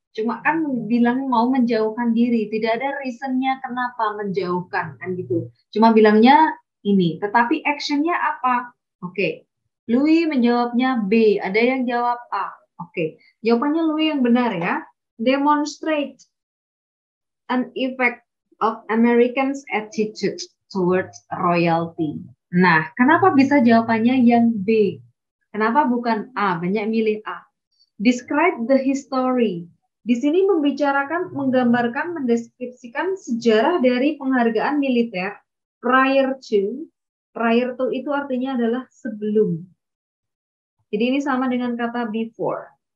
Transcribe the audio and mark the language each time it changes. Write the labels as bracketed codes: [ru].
[id] Cuma kan bilang mau menjauhkan diri, tidak ada reasonnya kenapa menjauhkan kan gitu. Cuma bilangnya ini, tetapi actionnya apa? Louis menjawabnya B, ada yang jawab A. Jawabannya Louis yang benar ya. [en] Demonstrate an effect of Americans' attitude towards royalty. [id] Nah, kenapa bisa jawabannya yang B? Kenapa bukan A? Banyak milih A. [en] Describe the history. [id] Di sini membicarakan, menggambarkan, mendeskripsikan sejarah dari penghargaan militer [en] prior to. [id] Prior to itu artinya adalah sebelum. Jadi ini sama dengan kata before.